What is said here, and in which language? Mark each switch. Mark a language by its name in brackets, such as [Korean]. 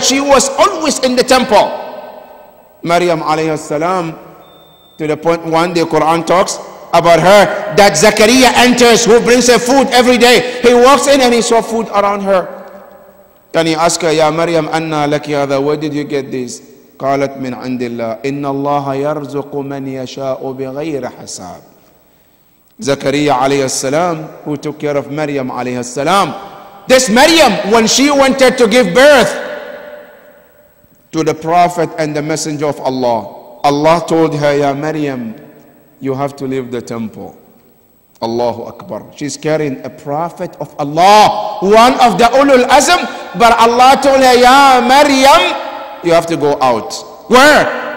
[English] She was always in the temple. Maryam alayhi salam, to the point one day, Quran talks about her that Zakaria enters, who brings her food every day. He walks in and he saw food around her. Then he asked her, [Arabic] Ya Maryam, Anna Lakiada, [English] where did you get this? [Arabic] قالت من عند الله إن الله يرزق من يشاء بغير حساب. زكريا عليه السلام [English] who took care of [Arabic] مريم عليه السلام. [English] This Maryam, when she wanted to give birth to the Prophet and the Messenger of Allah, Allah told her, Ya Maryam, you have to leave the temple. Allahu Akbar. She's carrying a Prophet of Allah, one of the Ulul Azm, but Allah told her, Ya Maryam, you have to go out. Where?